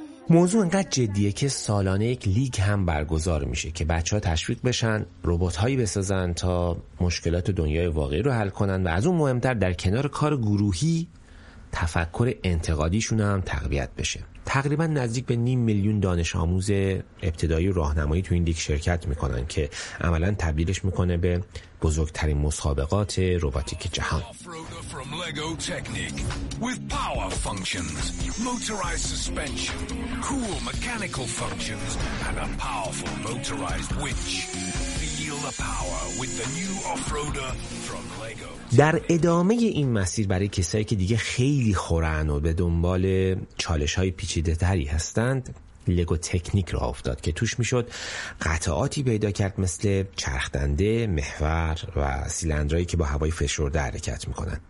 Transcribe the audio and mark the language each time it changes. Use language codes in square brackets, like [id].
[fa] موضوع انقدر جدیه که سالانه یک لیگ هم برگزار میشه که بچه‌ها تشویق بشن ربات‌هایی بسازن تا مشکلات دنیای واقعی رو حل کنن و از اون مهمتر در کنار کار گروهی تفکر انتقادیشون هم تقویت بشه. تقریبا نزدیک به 500,000 دانش آموز ابتدایی راهنمایی تو این لیگ شرکت میکنن که عملا تبدیلش میکنه به بزرگترین مسابقات روباتیک جهان. [en] From Lego Technic with power functions, motorized suspension, cool mechanical functions, and a powerful motorized winch. Feel the power with the new off-roader from Lego. [fa] در ادامه این مسیر برای کسایی که دیگه خیلی خورن و به دنبال چالش‌های پیچیده‌تری هستند، لگو تکنیک را افتاد که توش میشد قطعاتی پیدا کرد مثل چرخدنده، محور و سیلندرایی که با هوای فشرده حرکت میکنن.